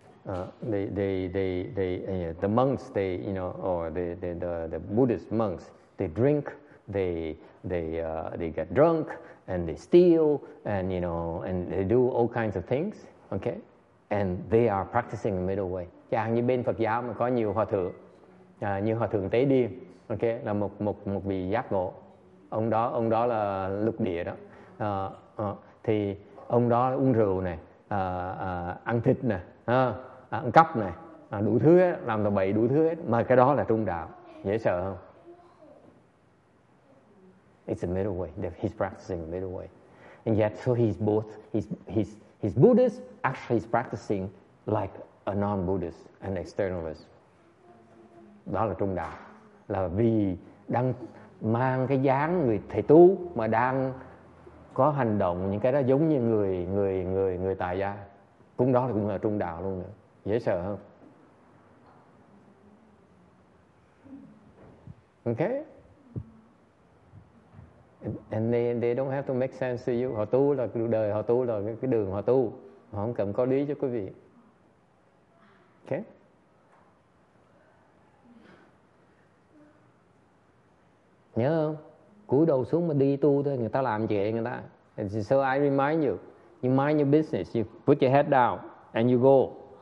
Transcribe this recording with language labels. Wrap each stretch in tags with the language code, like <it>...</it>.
<en>The monks, they, you know, or the Buddhist monks, they drink, they get drunk, and they steal, and you know, and they do all kinds of things, okay, and they are practicing the middle way.</en> <vi>Chẳng như bên Phật giáo mà có nhiều hòa thượng, như hòa thượng Tế Điên, okay, là một vị giác ngộ, ông đó là lục địa đó, thì ông đó uống rượu này, ăn thịt này, ăn cắp này, đủ thứ hết, làm tầm bậy đủ thứ hết. Mà cái đó là trung đạo. Dễ sợ không?</vi> <en>It's the middle way. He's practicing the middle way. And yet, so he's both, he's Buddhist, actually he's practicing like a non-Buddhist, an externalist.</en> <vi>Đó là trung đạo. Là vì đang mang cái dáng người thầy tu mà đang có hành động những cái đó giống như người tại gia. Cũng đó là cũng là trung đạo luôn nữa. Dễ sợ không?</vi> <en>Okay. And they don't have to make sense to you.</en> <vi>Họ tu là đời, họ tu là cái đường họ tu. Họ không cần có lý cho quý vị. Okay. Nhớ không? Cúi đầu xuống mà đi tu thôi, người ta làm chuyện người ta.</vi> <en>And so I remind you, you mind your business, you put your head down and you go.</en>